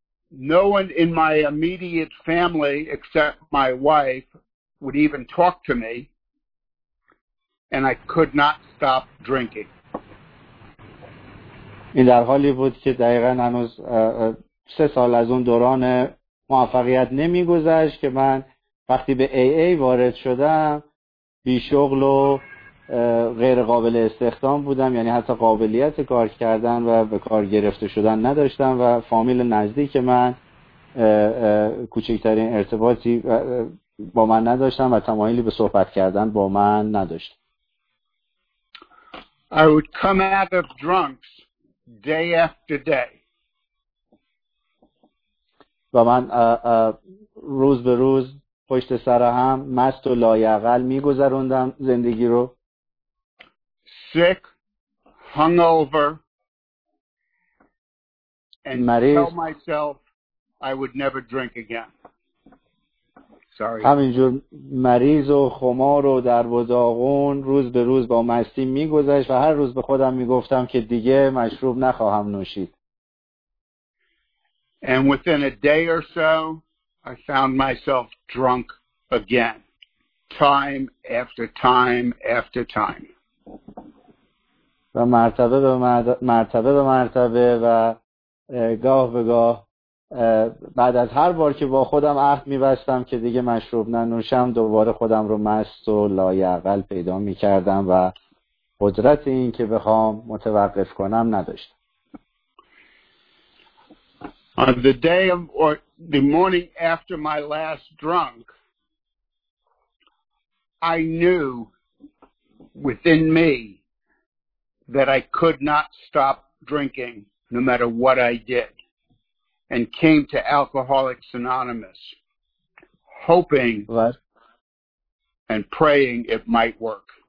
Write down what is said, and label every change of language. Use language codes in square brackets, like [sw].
[en] No one in my immediate family except my wife would even talk to me, and I could not stop drinking. [fa] این در حالی بود که دقیقاً هنوز سه سال از اون دوران موفقیت نمی‌گذشت که من وقتی به AA وارد شدم بی شغل و غیر قابل استخدام بودم، یعنی حتی قابلیت کار کردن و به کار گرفته شدن نداشتم و فامیل نزدیک من کوچکترین ارتباطی با من نداشتم و تمایلی به صحبت کردن با من نداشتم. [en] I would come out of drunks day after day. [fa] و من روز به روز پشت سر هم مست و لایعقل می گذروندم زندگی رو. [en] Sick, hungover, and tell myself I would never drink again. [fa] همینجور مریض و خمار و درب و داغون روز به روز با مستی می گذشت و هر روز به خودم می گفتم که دیگه مشروب نخواهم نوشید. [en] And within a day or so, I found myself drunk again, time after time after time. [fa] و مرتبه به مرتبه به مرتبه و گاه به گاه بعد از هر بار که با خودم عهد می‌بستم که دیگه مشروب ننوشم دوباره خودم رو مست و لایعقل پیدا می‌کردم و قدرت این که بخوام متوقف کنم نداشتم. [en] On the day of, or the morning after my last drunk, I knew within me that I could not stop drinking no matter what I did, and came to Alcoholics Anonymous hoping and praying it might work.